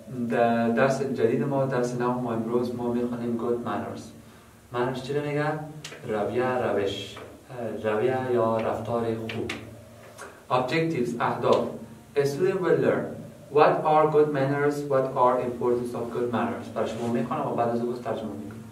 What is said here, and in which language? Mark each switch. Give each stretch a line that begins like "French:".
Persian: در درس جدید ما، درس نو ما امروز ما میخوانیم گود مانرز. مانرز چی را میگه؟ رویه، روش، رویه یا رفتار خوب.
English: Objectives، اهداف. A student will learn what are good manners, what are importance of good manners.
Persian: برای شما میخوانم و بعد از اون ترجمه میکنم.